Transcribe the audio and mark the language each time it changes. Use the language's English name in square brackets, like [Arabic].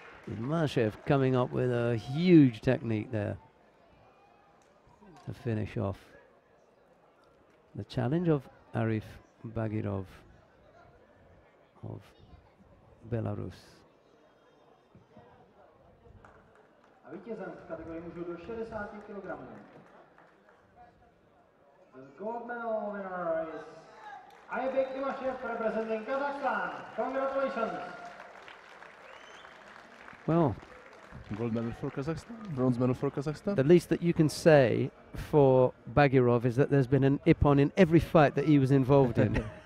[English] Imashev coming up with a huge technique there to finish off the challenge of Arif Bagirov of Belarus. [Czech] A vítězem v kategorii mužů do 60 kg. [English] The gold medal winner is Aybek Imashev representing Kazakhstan. Congratulations. Well, gold medal for Kazakhstan, bronze medal for Kazakhstan. The least that you can say for Bagirov is that there's been an ippon in every fight that he was involved in.